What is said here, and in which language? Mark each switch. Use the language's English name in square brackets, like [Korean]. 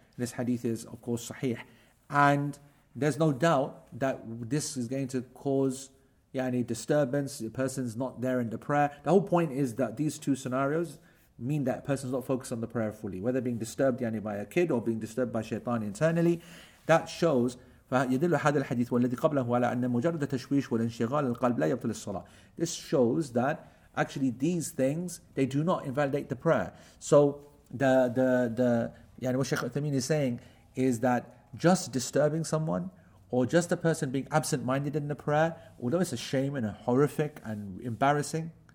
[English] This hadith is of course sahih, and there's no doubt that this is going to cause disturbance. The person's not there in the prayer. The whole point is that these two scenarios mean that a person's not focused on the prayer fully, whether being disturbed by a kid or being disturbed by shaitan internally. That shows [Arabic] فيدل هذا الحديث والذي قبله على أن مجرد تشويش والانشغال القلب لا يبطل الصلاة. [English] This shows that actually these things, they do not invalidate the prayer. So the what Sheikh Uthaymeen is saying is that just disturbing someone or just a person being absent-minded in the prayer, although it's a shame and a horrific and embarrassing.